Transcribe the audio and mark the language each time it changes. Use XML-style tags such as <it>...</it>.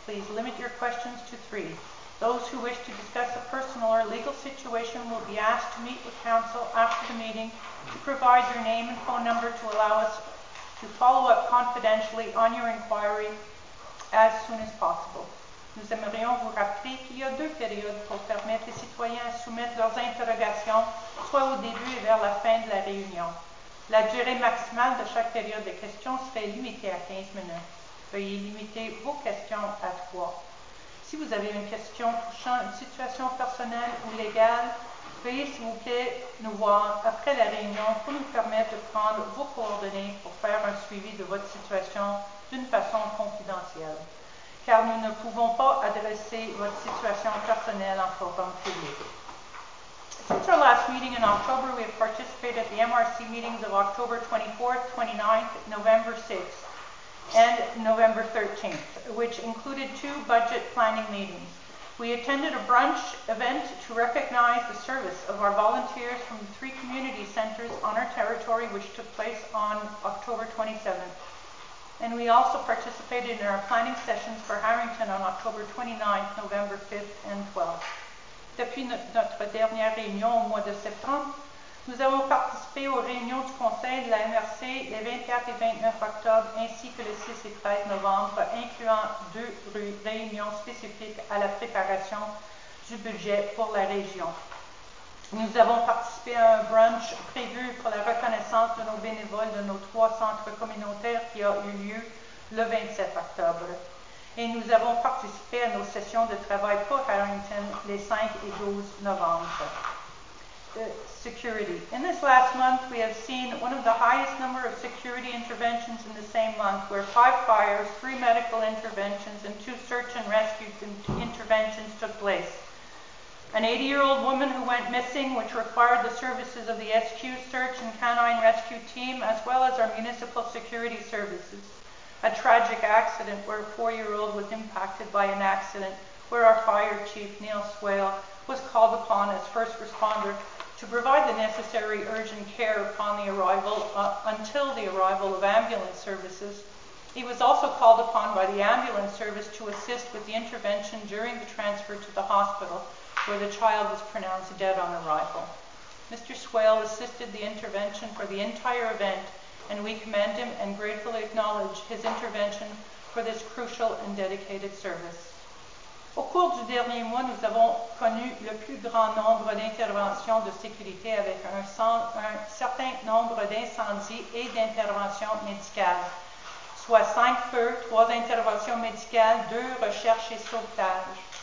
<en>Please limit your questions to three. Those who wish to discuss a personal or legal situation will be asked to meet with council after the meeting to provide your name and phone number to allow us to follow up confidentially on your inquiry as soon as possible.</en> <fr>Nous aimerions vous rappeler qu'il y a deux périodes pour permettre aux citoyens à soumettre leurs interrogations, soit au début et vers la fin de la réunion. La durée maximale de chaque période de questions serait limitée à 15 minutes. Veuillez limiter vos questions à trois. Si vous avez une question touchant une situation personnelle ou légale, veuillez s'il vous plaît nous voir après la réunion pour nous permettre de prendre vos coordonnées pour faire un suivi de votre situation d'une façon confidentielle, car nous ne pouvons pas adresser votre situation personnelle en forum public.</fr> <en>Since our last meeting in October, we have participated at the MRC meetings of October 24th, 29th, November 6th, and November 13th, which included two budget planning meetings. We attended a brunch event to recognize the service of our volunteers from the three community centers on our territory, which took place on October 27th. And we also participated in our planning sessions for Harrington on October 29th, November 5th and 12th.</en> <fr>Depuis notre dernière réunion au mois de septembre, nous avons participé aux réunions du conseil de la MRC les 24 et 29 octobre ainsi que le 6 et 13 novembre, incluant deux réunions spécifiques à la préparation du budget pour la région. Nous avons participé à un brunch prévu pour la reconnaissance de nos bénévoles de nos trois centres communautaires qui a eu lieu le 27 octobre. Et nous avons participé à nos sessions de travail pour Harrington les 5 et 12 novembre.</fr> <en>Security. In this last month, we have seen one of the highest number of security interventions in the same month, where five fires, three medical interventions, and two search and rescue interventions took place. An 80-year-old woman who went missing, which required the services of the SQ search and canine rescue team, as well as our municipal security services. A tragic accident where a 4-year-old was impacted by an accident where our fire chief, Neil Swale, was called upon as first responder to provide the necessary urgent care upon the arrival, until the arrival of ambulance services. He was also called upon by the ambulance service to assist with the intervention during the transfer to the hospital, where the child was pronounced dead on arrival. Mr. Swale assisted the intervention for the entire event, and we commend him and gratefully acknowledge his intervention for this crucial and dedicated service.</en> <fr>Au cours du dernier mois, nous avons connu le plus grand nombre d'interventions de sécurité avec un certain nombre d'incendies et d'interventions médicales, soit 5 feux, 3 interventions médicales, 2 recherches et sauvetages.</fr>